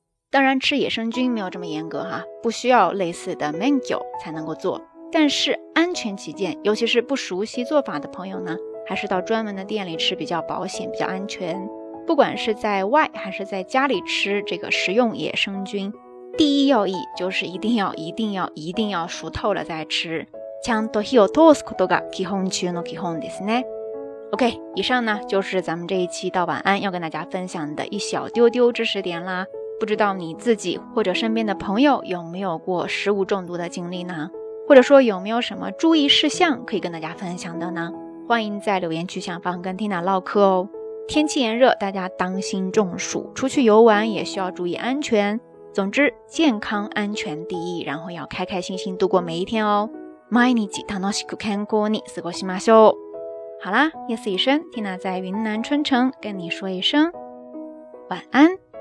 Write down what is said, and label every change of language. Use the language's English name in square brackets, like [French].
[Chinese] 当然吃野生菌没有这么严格哈，不需要类似的免許才能够做，但是安全起见，尤其是不熟悉做法的朋友呢，还是到专门的店里吃比较保险，比较安全。不管是在外还是在家里吃这个食用野生菌，第一要义就是一定要熟透了再吃。 [Japanese] ちゃんと火を通すことが基本中の基本ですね。 [Chinese] OK, 以上呢就是咱们这一期到晚安要跟大家分享的一小丢丢知识点啦。不知道你自己或者身边的朋友有没有过食物中毒的经历呢？或者说有没有什么注意事项可以跟大家分享的呢？欢迎在留言区下方跟 Tina 唠嗑哦。天气炎热，大家当心中暑，出去游玩也需要注意安全。总之，健康安全第一，然后要开开心心度过每一天哦。 [Japanese] 毎日楽しく健康に過ごしましょう。 [Chinese] 好啦，夜色已深， Tina 在云南春城跟你说一声晚安。